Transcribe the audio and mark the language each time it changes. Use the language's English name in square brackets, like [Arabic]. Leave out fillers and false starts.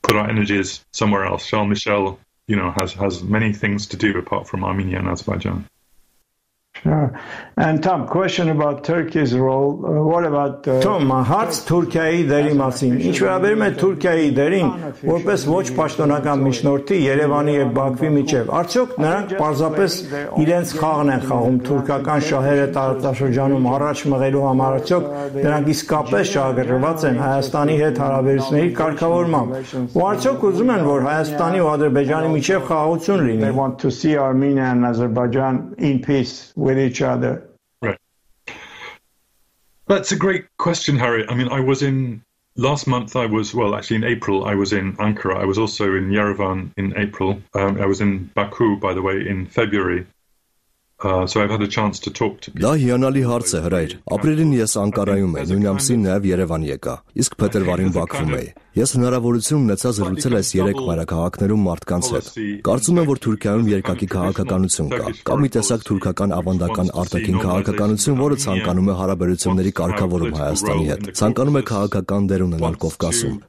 [English] Շարլ Միշել, you know, has many things to do apart from Armenia and Azerbaijan. Sure. And Tom, question about Turkey's role. What about [Armenian] Tom, հարց Թուրքիայի դերի մասին։ Ինչ վերաբերում է Թուրքիայի դերին, որպես ոչ պաշտոնական միջնորդի Երևանի եւ Բաքվի միջեւ, արդյոք նրանք պարզապես իրենց խաղն են խաղում թուրքական շահերը տարածաշրջանում առաջ մղելու համար, արդյոք նրանք իսկապես շահագրգռված են Հայաստանի հետ հարաբերությունների կարգավորմամբ, ու արդյոք ուզում են, որ Հայաստանի ու Ադրբեջանի միջեւ խաղաղություն լինի? [English] They want to see Armenia and Azerbaijan in peace with each other. Right. That's a great question, Harry. I mean, I was in last month, in April, I was in Ankara. I was also in Yerevan in April. I was in Baku, by the way, in February. So I've had a chance to talk to people. [Armenian] Դա հիանալի հարց է, հրայր։ Ապրիլին ես Անկարայում եմ, նույն ամսին նաև Երևան եկա, իսկ փետրվարին Բաքվում էի։ Ես հնարավորություն ունեցա զրուցել այս երեք մայրաքաղաքներում մարդկանց հետ։ Կարծում եմ, որ Թուրքիայում երկակի քաղաքականություն կա, կամ մի տեսակ թուրքական ավանդական արտաքին քաղաքականություն, որը ցանկանում է հարաբերությունների կարգավորում Հայաստանի հետ, ցանկանում է քաղաքական դեր ունենալ Կովկասում,